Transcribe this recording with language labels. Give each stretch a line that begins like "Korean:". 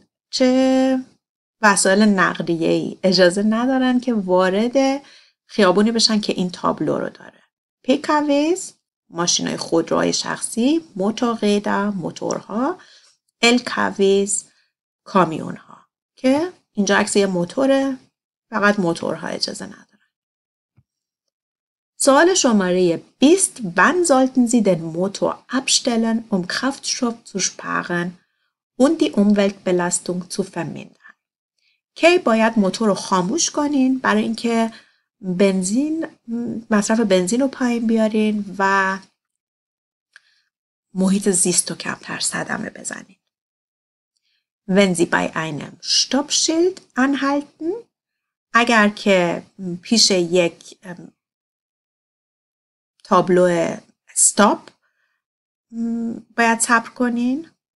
Persian: چه وسایل نقلیه ای اجازه ندارن که وارد خیابونی بشن که این تابلو رو داره؟ پیکاویز، ماشین های خودروهای شخصی، موتورقیدا، موتورها، الکاویز، کامیون ها. که اینجا عکس یه موتوره، فقط موتورها اجازه ندارن. سوال شماره 20،
German: wann sollten Sie den Motor abstellen, um Kraftstoff zu sparen und die Umweltbelastung zu vermindern?
Persian: کی باید موتور رو خاموش کنین برای اینکه بنزین مصرف بنزین رو پایین بیارین و محیط زیست رو کمتر صدمه بزنین.
German: Wenn Sie bei einem Stoppschild anhalten,
Persian: اگر که پیش یک تابلو استاپ باید صبر کنین.